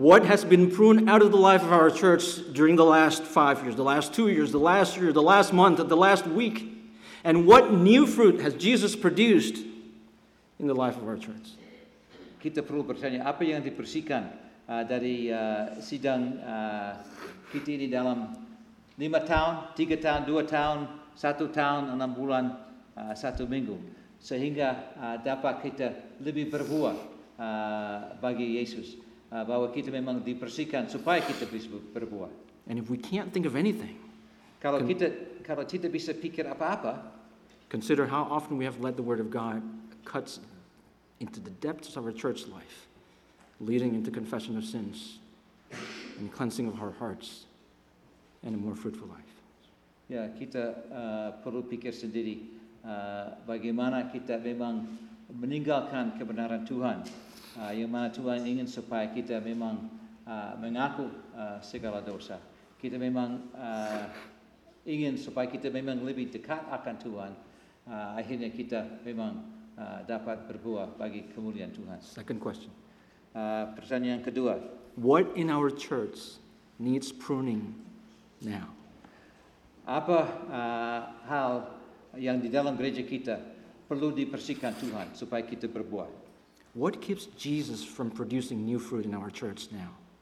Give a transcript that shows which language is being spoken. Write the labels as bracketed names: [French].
[English] What has been pruned out of the life of our church during the last 5 years, the last 2 years, the last year, the last month, the last week? And what new fruit has Jesus produced in the life of our church? [Indonesian] Kita perlu bertanya apa yang dipersihkan dari sidang kita ini dalam 5 tahun, 3 tahun, 2 tahun, 1 tahun, 6 bulan, 1 minggu. Sehingga dapat kita lebih berbuah bagi Yesus. bahwa kita memang dibersihkan supaya kita bisa berbuat. [English] And if we can't think of anything, [Indonesian] kalau kita bisa pikir apa-apa, [English] consider how often we have let the word of God cuts into the depths of our church life, leading into confession of sins and cleansing of our hearts and a more fruitful life. [Indonesian] Ya, kita perlu pikir sendiri bagaimana kita memang meninggalkan kebenaran Tuhan, yang mana Tuhan ingin supaya kita memang mengaku segala dosa. Kita memang ingin supaya kita memang lebih dekat akan Tuhan. Akhirnya kita memang dapat berbuah bagi kemuliaan Tuhan. [English] Second question. [Indonesian] Pertanyaan kedua. [English] What in our church needs pruning now? [Indonesian] Apa hal yang di dalam gereja kita perlu dibersihkan Tuhan supaya kita berbuah? [English] What keeps Jesus from producing new fruit in our church now?